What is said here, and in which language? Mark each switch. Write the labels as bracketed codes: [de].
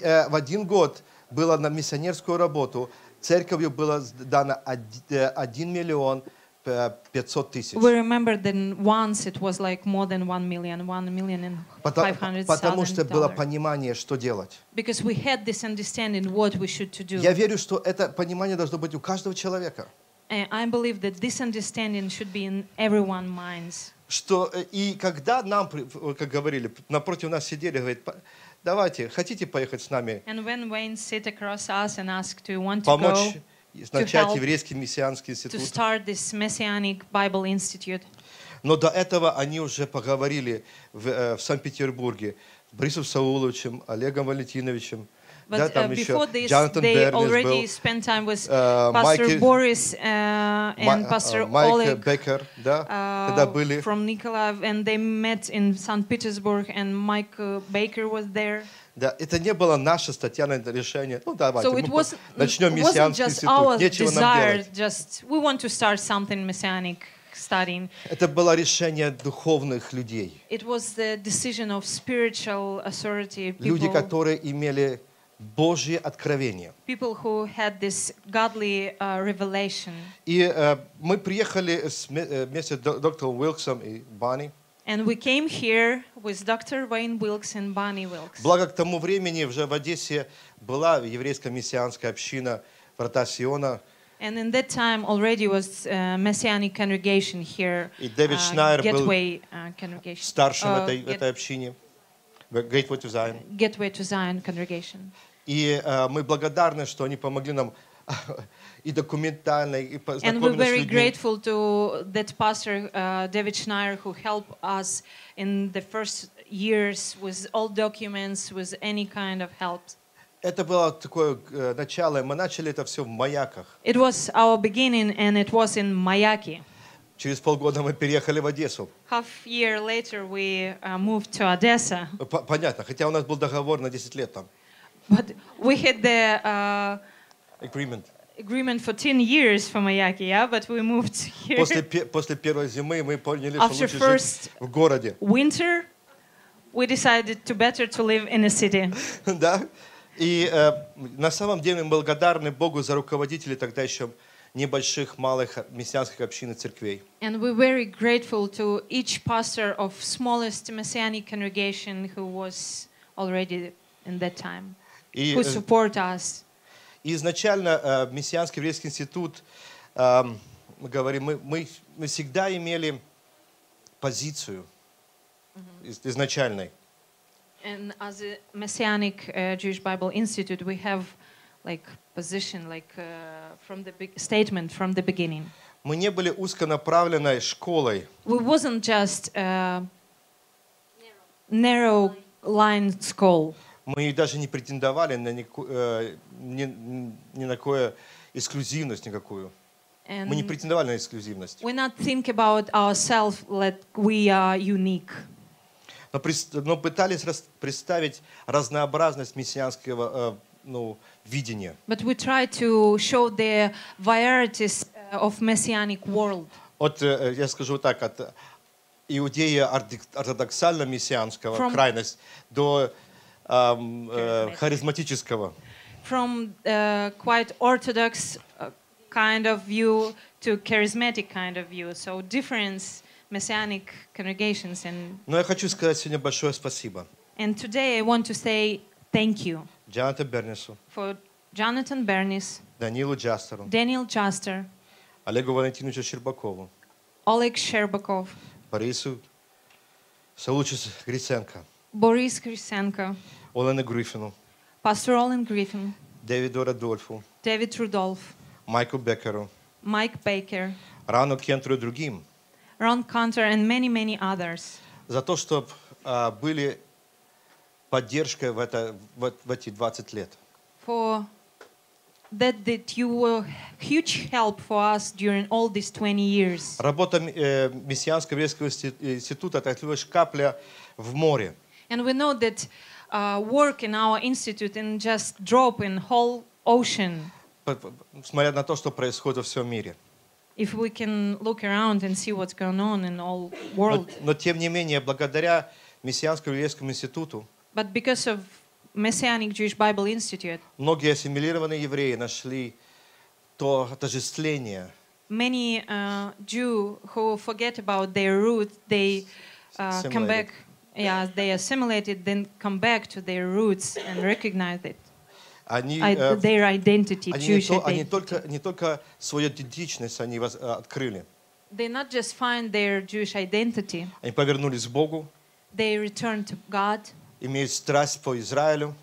[ru] В один год было на миссионерскую работу, церковью было дано 1,500,000. [en] We remember that once it was like more than 1 million, 1,500,000. [ru] Потому что было понимание, что делать. [en] Because we had this understanding what we should to do. [ru] Я верю, что это понимание должно быть у каждого человека. [en] I believe that this understanding should be in everyone's minds. [ru] Что и когда нам, как говорили, напротив нас сидели, говорит, давайте, хотите поехать с нами? [en] And when Wayne sit across us and asked, do you want [ru] помочь? [en] To go? [ru] Начать еврейский мессианский институт. [en] To start this messianic Bible institute. [ru] Но до этого они уже поговорили в Санкт-Петербурге с Борисом Сауловичем, Олегом Валентиновичем, [en] But да, before this, Jonathan they Bernis already был, spent time with Pastor Майк, Boris and Pastor Oleg [ru] Becker, да, когда были. [en] From Nikolaev, and they met in St. Petersburg, and Mike Baker was there. [ru] Да, это не было наше статья на это решение. Ну, давайте, so мы was, начнем мессианский институт. Нечего [en] desire, [ru] нам делать. [en] Just, we want to start something messianic. Studying. [ru] Это было решение духовных людей. [en] It was the decision of spiritual authority people. [ru] Люди, которые имели Божье откровение. [en] People who had this godly revelation. [ru] И мы приехали вместе с доктором Уилксом и Банни. [en] And we came here with Dr. Wayne Wilkes and Bonnie Wilkes. [ru] Благо к тому времени уже в Одессе была еврейская мессианская община «Врата Сиона». [en] And in that time already was messianic congregation here. [ru] И Дэвид Шнайер был старшим этой общине. [en] Gateway to Zion. Gateway to Zion congregation. [ru] И мы благодарны, что они помогли нам и документально, и познакомились с людьми. [en] And we're very grateful to that pastor David Schneier who helped us in the first years with all documents, with any kind of help. [ru] Это было такое начало. Мы начали это все в маяках. [en] It was our beginning, and it was in Маяки. [ru] Через полгода мы переехали в Одессу. [en] Half year later, we moved to Odessa. [ru] Понятно. Хотя у нас был договор на 10 лет там. [en] But we had the agreement. Agreement for 10 years for Маяки, yeah? But we moved here. [ru] После первой зимы мы поняли, что лучше жить в городе. [en] After first winter, we decided to better to live in a city. [ru] Да. И на самом деле мы благодарны Богу за руководителей тогда еще небольших, малых мессианских общин и церквей. [en] And we're very grateful to each pastor of smallest messianic congregation who was already in that time, who support us. [ru] И изначально мессианский еврейский институт, мы говорим, мы всегда имели позицию изначальной. [en] And as a messianic Jewish Bible Institute, we have like position, like from the statement from the beginning. [ru] Мы не были узконаправленной школой. [en] We wasn't just a narrow line school. [ru] Мы даже не претендовали на ни на какую эксклюзивность никакую. Мы не претендовали на эксклюзивность. [en] We not think about ourselves that we are unique. [ru] Но пытались представить разнообразность мессианского видения. [en] But we try to show the varieties of messianic world. [ru] Я скажу так, от иудея ортодоксально-мессианского крайность до харизматического. [en] From quite orthodox kind of view to charismatic kind of view. So difference. Messianic congregations and. [ru] Но я хочу сказать сегодня большое спасибо. [en] And today I want to say thank you. [ru] Джонатан Бернису. [en] For Jonathan Bernis. [ru] Данилу Джастеру. [en] Daniel Juster. [ru] Олегу Валентиновичу Щербакову. Олег Щербаков. Борису Салучис Гриценко. Борис Гриценко. Олену Гриффину. Пастор Олен Гриффин. Дэвиду Радольфу. Дэвид Рудольф. Майку Беккеру. Майк Бейкер. Рану Кентру и другим. [en] Ron Cantor and many, many others. [ru] За то, чтобы были поддержкой в эти 20 лет. [en] For that you were huge help for us during all these 20 years. [ru] Работа Мессианского еврейского института — это лишь капля в море. [en] And we know that work in our institute and just drop in whole ocean. [ru] Смотря на то, что происходит во всем мире. [en] If we can look around and see what's going on in all world. [ru] Но тем не менее, благодаря Мессианскому еврейскому институту. [en] But because of Messianic Jewish Bible Institute. [ru] Многие ассимилированные евреи нашли то отождествление. [en] Many Jew who forget about their roots, they come back. Yeah, they assimilated, then come back to their roots and recognize it. [ru] Они, [en] their identity, [ru] они, [en] Jewish identity. [ru] Они не только свою идентичность они открыли. [en] They not just find their Jewish identity. [ru] Они повернулись к Богу. [en] They return to God. [ru] Имеют страсть по Израилю.